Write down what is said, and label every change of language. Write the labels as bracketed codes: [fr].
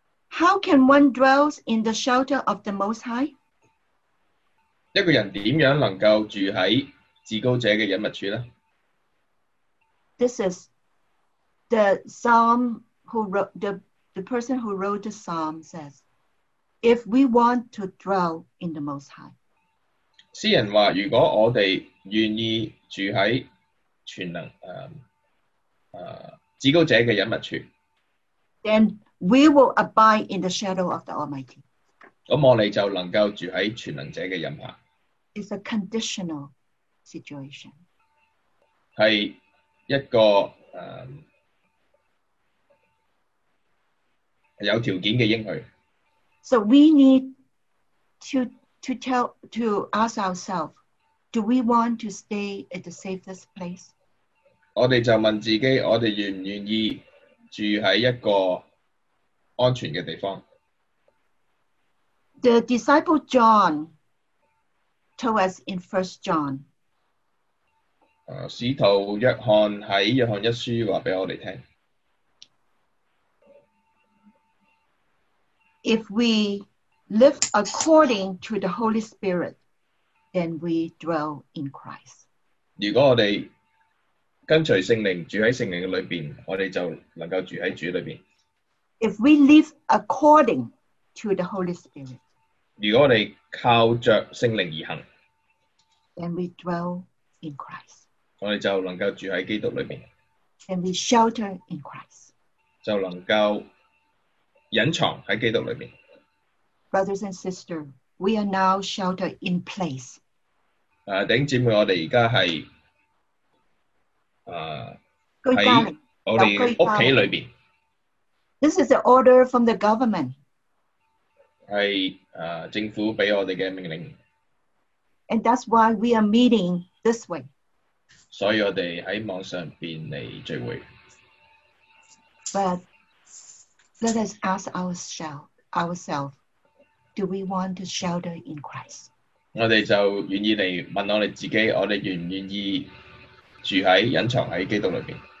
[en] How can one dwell in the shelter of the Most High? [zh] 一个人怎样能够住在至高者的隐密处呢？ [en] This is the psalm who wrote, the person who wrote the psalm says, if we want to dwell in the Most High. [zh] 诗人说，如果我们愿意住在全能至高者的隐密处， [en] then we will abide in the shadow of the Almighty. [zh] 那我们就能够住在全能者的荫下。 [en] It's a conditional situation. [zh] 是一个有条件的应许。 [en] So we need to ask ourselves, do we want to stay at the safest place? [zh] 我们就问自己，我们愿不愿意住在一个安全的地方。 [en] The disciple John told us in 1 John. [zh] 使徒約翰在約翰一書告訴我們， [en] If we live according to the Holy Spirit, then we dwell in Christ. [zh] 如果我們跟隨聖靈，住在聖靈裡面，我們就能夠住在主裡面。 [en] If we live according to the Holy Spirit, [zh] 如果我们靠着圣灵而行， [en] then we dwell in Christ. [zh] 我们就能够住在基督里面。 [en] And we shelter in Christ. [zh] 就能够隐藏在基督里面。 [en] Brothers and sisters, we are now sheltered in place. [zh] 弟兄姊妹，我们现在是在我们家里面。 [en] This is the order from the government. [zh] 是政府给我们的命令。 [en] And that's why we are meeting this way. [zh] 所以我们在网上来聚会。 [en] But let us ask ourselves, do we want to shelter in Christ? [zh] 我们就愿意来问我们自己，我们愿不愿意住在隐藏在基督里面。